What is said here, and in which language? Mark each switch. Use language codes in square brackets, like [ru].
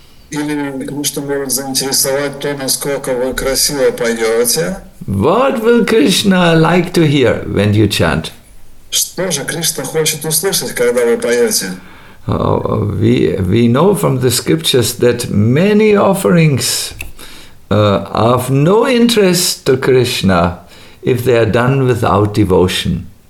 [ru] Или Кришну может заинтересовать то, насколько вы красиво поете? [en] What will Krishna like to hear when you chant? [ru] Что же Кришна хочет услышать, когда вы поете? [en] We know from the scriptures that many offerings are of no interest to Krishna if they are done without devotion.